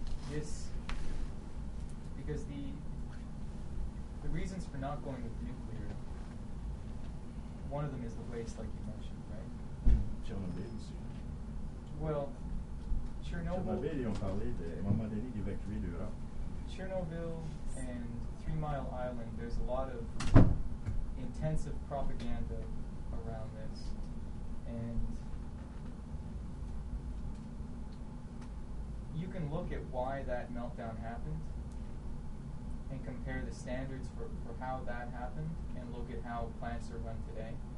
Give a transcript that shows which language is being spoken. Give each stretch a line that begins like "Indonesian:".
English: This, because the reasons for not going with nuclear, one of them is the waste, like you mentioned, right?
French: Chernobyl aussi.
English: Well, Chernobyl,
French: ils ont parlé de, à un moment donné, d'évacuer l'Europe.
English: Chernobyl and Three Mile Island, there's a lot of intensive propaganda around this, and you can look at why that meltdown happened and compare the standards for how that happened and look at how plants are run today.